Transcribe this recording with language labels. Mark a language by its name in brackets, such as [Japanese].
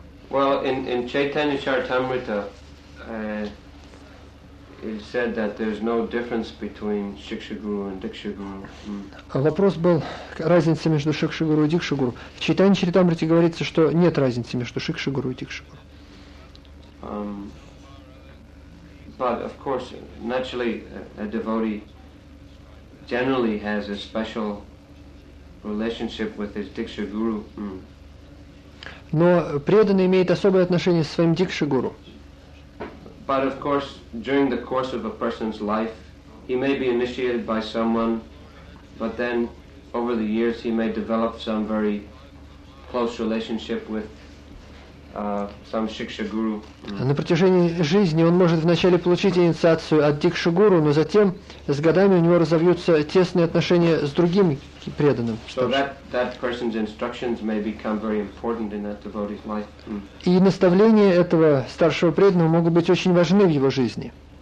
[English] Well, in Chaitanya Charitamrita, it said that there's no difference between Shiksha Guru and Diksha Guru. [Russian] Вопрос был, разница между Шикши Гуру и Дикши Гуру. В Чайтанья Чаритамрите говорится, что нет разницы между Шикши Гуру и Дикши Гуру. [English] But of course, naturally, a devotee generally has a special relationship with his Diksha Guru. [Russian] Но преданный имеет особое отношение с своим Дикши Гуру. [English] But of course, during the course of a person's life, he may be initiated by someone, but then over the years he may develop some very close relationship with some shiksha guru. [Russian] На протяжении жизни он может вначале получить инициацию от дикшу гуру, но затем с годами у него разовьются тесные отношения с другим преданным. [English] So that person's instructions may become very important in that devotee's life. [Russian] И наставления этого старшего преданного могут быть очень важны в его жизни.